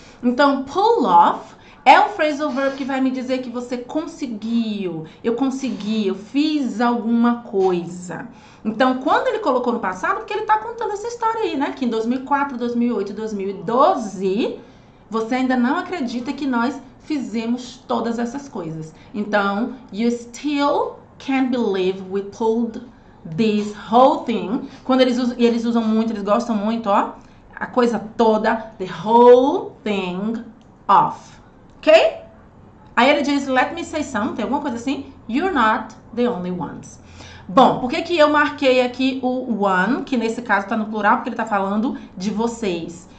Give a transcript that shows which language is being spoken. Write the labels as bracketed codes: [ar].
[pt] Então, pull off é um phrasal verb que vai me dizer que você conseguiu, eu consegui, eu fiz alguma coisa. Então, quando ele colocou no passado, porque ele tá contando essa história aí, né? Que em 2004, 2008, 2012, você ainda não acredita que nós fizemos todas essas coisas. [en] Então, you still can't believe we pulled this whole thing. [pt] Quando eles usam, e eles usam muito, eles gostam muito, ó. A coisa toda, [en] the whole thing off. [pt] Ok? Aí ele diz, [en] let me say something, [pt] alguma coisa assim. [en] You're not the only ones. [pt] Bom, por que que eu marquei aqui o one, que nesse caso tá no plural, porque ele tá falando de vocês.